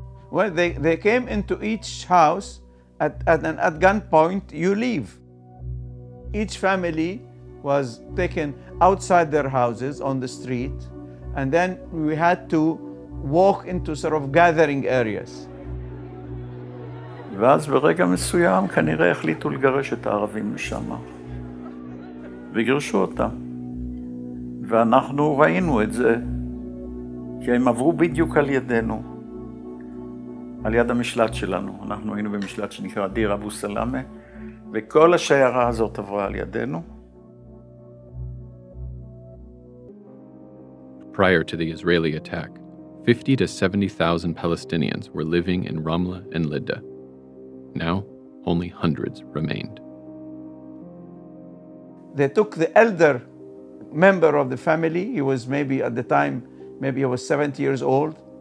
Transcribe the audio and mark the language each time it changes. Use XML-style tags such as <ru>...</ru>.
<en>Well, they came into each house at gunpoint, you leave. Each family was taken outside their houses on the street, and then we had to walk into sort of gathering areas.</en> <he>ואז ברגע מסוים כנראה החליטו לגרש את הערבים משם. וגרשו אותם. ואנחנו ראינו את זה, כי הם עברו בדיוק על ידינו, על יד המשלט שלנו. אנחנו היינו במשלט שנקרא דיר אבו סלאמה, וכל השיירה הזאת עברה על ידינו.</he> <en>Prior to the Israeli attack, 50 to 70,000 Palestinians were living in Ramla and Lydda. Now, only hundreds remained. They took the elder member of the family. He was maybe at the time, maybe he was 70 years old.</en>